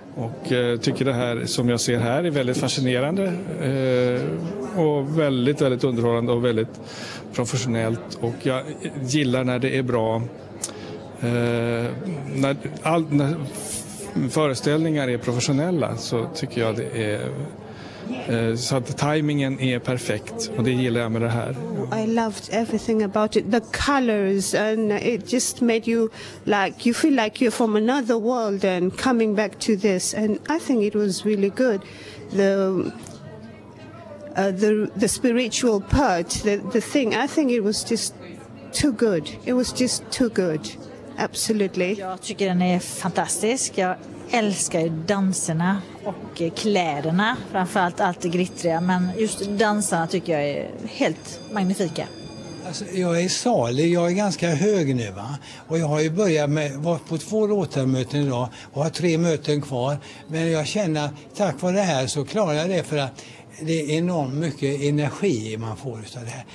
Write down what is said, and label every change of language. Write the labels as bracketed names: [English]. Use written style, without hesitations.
[Swedish] Och tycker det här som jag ser här är väldigt fascinerande och väldigt, väldigt underhållande och väldigt professionellt. Och jag gillar när det är bra, när föreställningar är professionella, så tycker jag det är så att tajmingen är perfekt, och det gillar jag med det här. [English] Oh, I loved everything about it, the colors, and it just made you like, you feel like you're from another world and coming back to this, and I think it was really good. The spiritual part, the thing, I think it was just too good. It was just too good, absolutely. [Swedish] Jag tycker den är fantastisk. Jag älskar danserna och kläderna, framförallt allt det glittriga, men just dansarna tycker jag är helt magnifika. Alltså, jag är salig, jag är ganska hög nu, va? Och jag har ju börjat med, varit på 2 låtarmöten idag och har 3 möten kvar, men jag känner tack vare det här så klarar jag det, för att det är enormt mycket energi man får av det här.